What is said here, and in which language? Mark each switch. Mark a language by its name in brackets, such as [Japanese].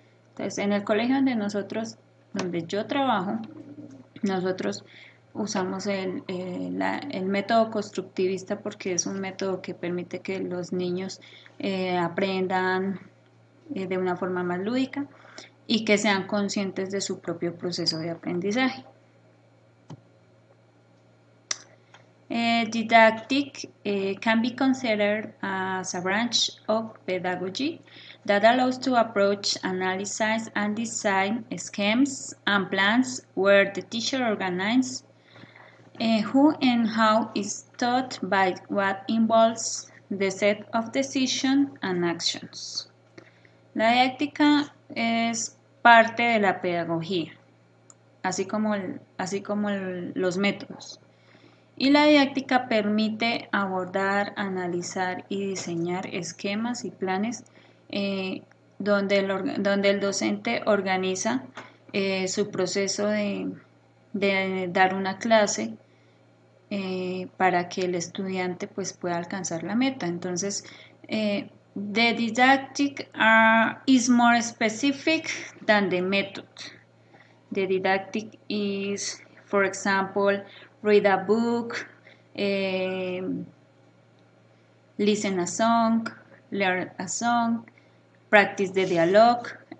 [Spanish] Entonces, en el colegio donde yo trabajo, nosotros usamos el método constructivista porque es un método que permite que los niños aprendan de una forma más lúdica y que sean conscientes de su propio proceso de aprendizaje. [English] Didactic can be considered as a branch of pedagogy that allows to approach, analyze, and design schemes and plans where the teacher organizes who and how is taught by what involves the set of decisions and actions. [Spanish] La didáctica es parte de la pedagogía, así como los métodos. Y la didáctica permite abordar, analizar y diseñar esquemas y planes donde el docente organiza su proceso de dar una clase para que el estudiante pues pueda alcanzar la meta. Entonces, [English] the didactic is more specific than the method. The didactic is, for example, read a book, listen a song, learn a song, practice the dialogue.